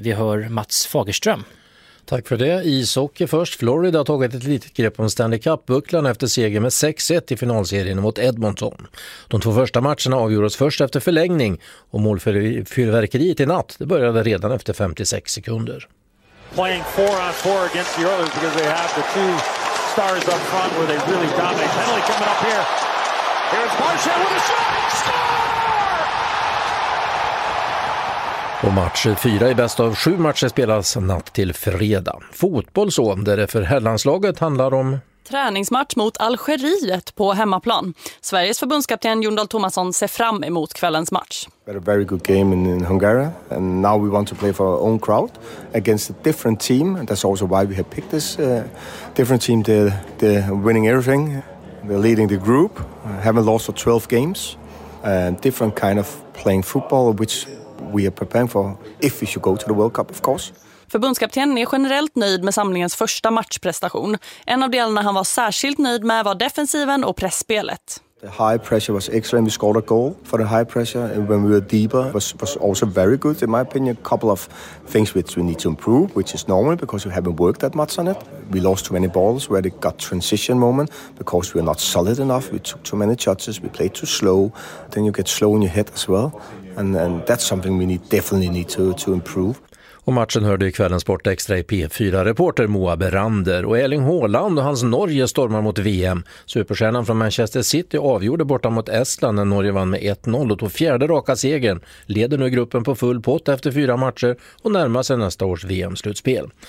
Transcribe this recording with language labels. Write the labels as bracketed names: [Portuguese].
[Swedish] Vi hör Mats Fagerström. Tack för det. Ishockey först. Florida har tagit ett litet grepp om Stanley Cup-bucklan efter seger med 6-1 i finalserien mot Edmonton. De två första matcherna avgjordes först efter förlängning och målfyrverkeriet i natt. Det började redan efter 56 sekunder. [English] Playing 4-on-4 against the Oilers because they have the two stars up front where they really dominate. Penalty coming up here. Here's Marshall with a shot. Score! [Swedish] Och match 4 i bäst av 7 matcher spelas natt till fredag. Fotboll så, där det för herrlandslaget handlar om träningsmatch mot Algeriet på hemmaplan. Sveriges förbundskapten Jon Dahl Tomasson ser fram emot kvällens match. [English] We had a very good game in Hungary and now we want to play for our own crowd against a different team. That's also why we have picked this different team. They're winning everything. They're leading the group. Haven't lost for 12 games. Different kind of playing football which we are preparing for if we should go to the World Cup, of course. [Swedish] Förbundskaptenen är generellt nöjd med samlingens första matchprestation. En av delarna han var särskilt nöjd med var defensiven och pressspelet. [English] The high pressure was excellent. We scored a goal for the high pressure and when we were deeper was also very good in my opinion. A couple of things which we need to improve, which is normal because we haven't worked that much on it. We lost too many balls where they got transition moment because we were not solid enough. We took too many touches, we played too slow. Then you get slow in your head as well. And that's something we definitely need to improve. [Swedish] Och matchen hörde i kvällens Sportextra i P4 reporter Moa Berander. Och Erling Haaland och hans Norge stormar mot VM. Superstjärnan från Manchester City avgjorde borta mot Estland när Norge vann med 1-0 och tog fjärde raka segern. Leder nu gruppen på full pott efter 4 matcher och närmar sig nästa års VM-slutspel.